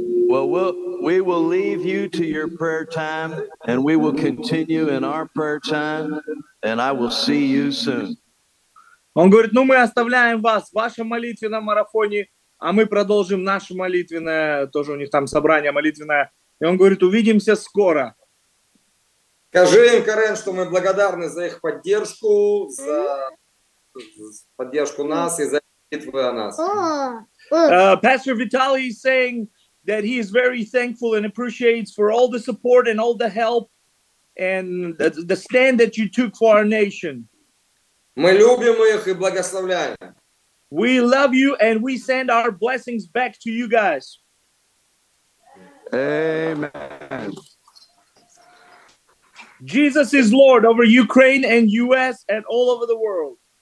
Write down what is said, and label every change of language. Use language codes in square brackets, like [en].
[en] Well, we will leave you to your prayer time, and we will continue in our prayer time, and I will see you soon. [ru] Он говорит, ну мы оставляем вас в вашем молитвенном марафоне, а мы продолжим наше молитвенное, тоже у них там собрание молитвенное. И он говорит, увидимся скоро. Скажи им, Карен, что мы благодарны за их поддержку, за поддержку нас и за молитву о нас. [en] Pastor Vitaly is saying that he is very thankful and appreciates for all the support and all the help and the stand that you took for our nation. [ru] Мы любим их и благословляем. [en] We love you and we send our blessings back to you guys. Amen. Jesus is Lord over Ukraine and US and all over the world.